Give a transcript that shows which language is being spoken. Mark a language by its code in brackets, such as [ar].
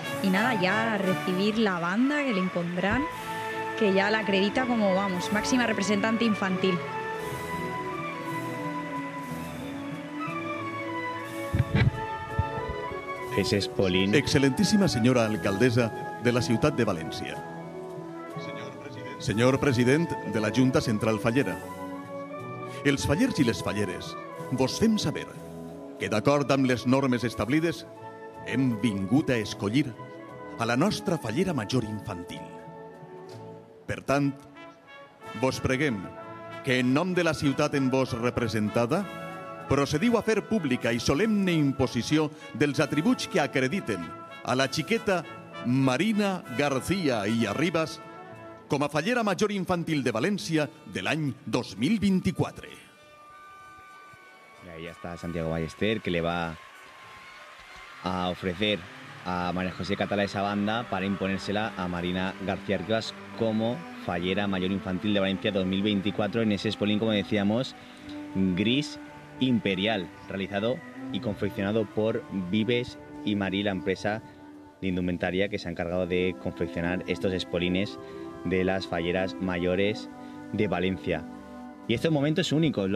[es] Y nada, ya a recibir la banda que le impondrán, que ya la acredita como, vamos, máxima representante infantil. Es Espolín. Excelentísima señora alcaldesa de la ciudad de Valencia. Señor president de la Junta Central Fallera. [ca] Els fallers i les falleres, vos fem saber que d'acord amb les normes establides hem vingut a escollir a la nostra fallera major infantil. Per tant, vos preguem que en nom de la ciutat en vos representada procediu a fer pública i solemne imposició dels atributs que acrediten a la xiqueta Marina García i Arribas com a fallera major infantil de València de l'any 2024. [es] Ahí está Santiago Ballester, que le va a ofrecer a María José Catalá esa banda para imponérsela a Marina García Rivas como fallera mayor infantil de Valencia 2024 en ese espolín, como decíamos, gris imperial, realizado y confeccionado por Vives y Marí, la empresa de indumentaria que se ha encargado de confeccionar estos espolines de las falleras mayores de Valencia. Y este momento es único.